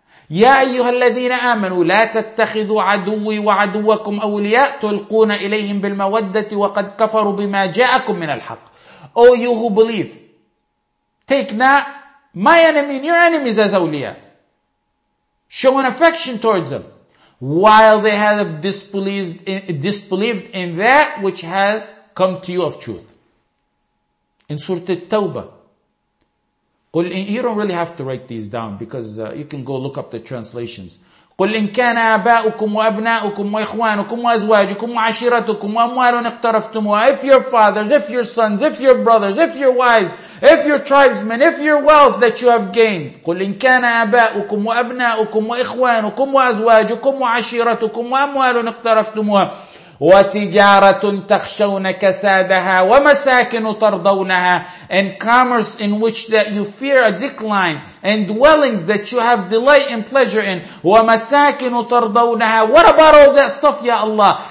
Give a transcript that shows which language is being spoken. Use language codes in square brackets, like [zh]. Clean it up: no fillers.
[ar] يا أيها الذين آمنوا لا تتخذوا عدوي وعدوكم أولياء تلقون إليهم بالمودة وقد كفروا بما جاءكم من الحق. [en] O you who believe, take not my enemy and your enemies as أولياء. Show an affection towards them while they have disbelieved in that which has come to you of truth. In Surah At-Tawbah. [ar] قل إن, [en] you don't really have to write these down because you can go look up the translations. [ar] قل إن كان آباؤكم وأبناؤكم وإخوانكم وأزواجكم وعشيرتكم وأموال اقترفتموها. [en] If your fathers, if your sons, if your brothers, if your wives, if your tribesmen, if your wealth that you have gained. [ar] قل إن كان آباؤكم وأبناؤكم وإخوانكم وأزواجكم وعشيرتكم وأموال اقترفتموها. وتجارة تخشون كسادها ومساكن ترضونها. [en] And commerce in which that you fear a decline, and dwellings that you have delight and pleasure in. [ar] ومساكن ترضونها. [en] What about all that stuff, ya Allah?